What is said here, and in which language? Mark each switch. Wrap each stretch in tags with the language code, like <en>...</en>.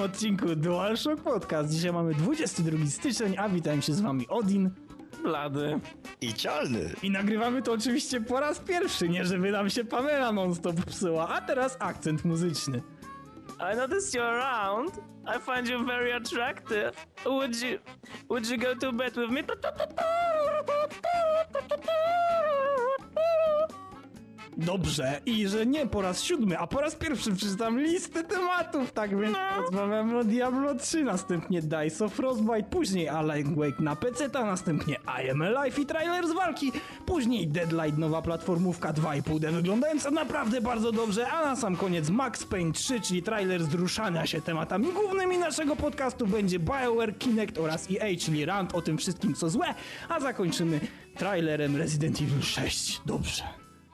<pl>odcinku DualShock Podcast. Dzisiaj mamy 22 styczeń, a witam się z wami Odin. Blady. I Cialny. I nagrywamy to oczywiście po raz pierwszy, nie żeby nam się Pamela non-stop psuła, a teraz akcent muzyczny.</pl> <en>I noticed you're around. I find you very attractive. Would you go to bed with me?</en> <pl>Dobrze, i że nie po raz siódmy, a po raz pierwszy przeczytam listę tematów, tak więc no. Rozmawiam o Diablo 3, następnie Dice of Frostbite, później Alan Wake na PC-ta, następnie I Am Alive i trailer z walki, później Deadlight, nowa platformówka 2,5D wyglądająca naprawdę bardzo dobrze, a na sam koniec Max Payne 3, czyli trailer zruszania się tematami głównymi naszego podcastu, będzie BioWare, Kinect oraz EA, czyli rant o tym wszystkim, co złe, a zakończymy trailerem Resident Evil 6. Dobrze.</pl>